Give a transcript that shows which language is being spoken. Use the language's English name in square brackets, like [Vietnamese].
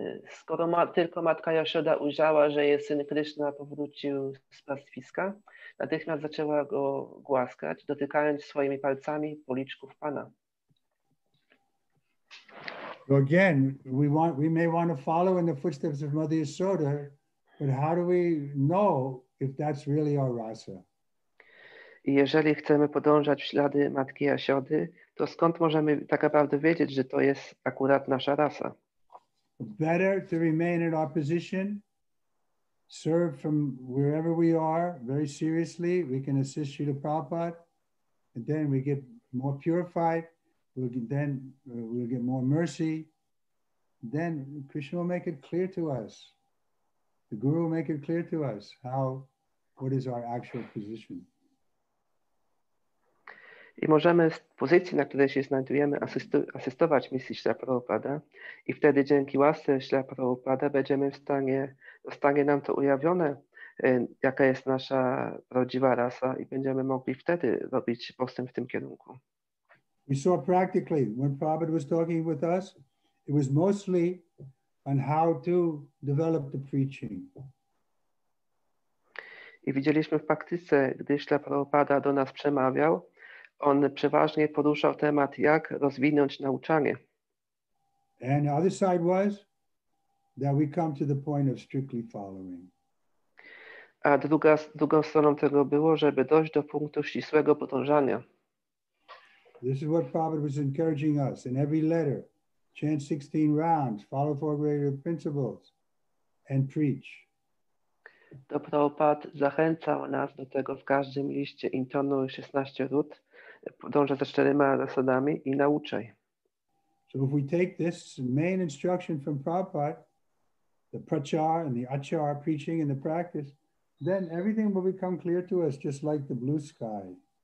[Polish] Skoro tylko matka Jasioda ujrzała, że jej syn Kryszna powrócił z pastwiska, natychmiast zaczęła go głaskać, dotykając swoimi palcami policzków Pana. [English] So again, we may want to follow in the footsteps of Mother Yasoda, but how do we know if that's really our rasa? [Polish] I jeżeli chcemy podążać w ślady matki Jasiody, to skąd możemy tak naprawdę wiedzieć, że to jest akurat nasza rasa? [English] Better to remain in our position, serve from wherever we are, very seriously. We can assist Srila Prabhupada, and then we get more purified. We'll get more mercy. Then Krishna will make it clear to us. The Guru will make it clear to us what is our actual position. [Polish] I możemy z pozycji, na której się znajdujemy, asystować misji Śla Prabhupada i wtedy dzięki łasce Śla Prabhupada będziemy w stanie, zostanie nam to ujawnione, jaka jest nasza prawdziwa rasa i będziemy mogli wtedy robić postęp w tym kierunku. [English] We saw practically when Prabhupada was talking with us, it was mostly and how to develop the preaching. [Polish] I widzieliśmy w praktyce, gdy Śla Prabhupada do nas przemawiał, on przeważnie poruszał temat, jak rozwinąć nauczanie. [English] And the other side was that we come to the point of strictly following. [Polish] A drugą stroną tego było, żeby dojść do punktu ścisłego podążania. [English] This is what Prabhupada was encouraging us in every letter. Chant 16 rounds, follow four greater principles and preach. [Polish] To Prabhupad zachęcał nas do tego w każdym liście, intonuj 16 ród, podążaj za czterema zasadami i nauczaj. [English] So if we take this main instruction from Prabhupada, the prachar and the achar, preaching and the practice, then everything will become clear to us, just like the blue sky.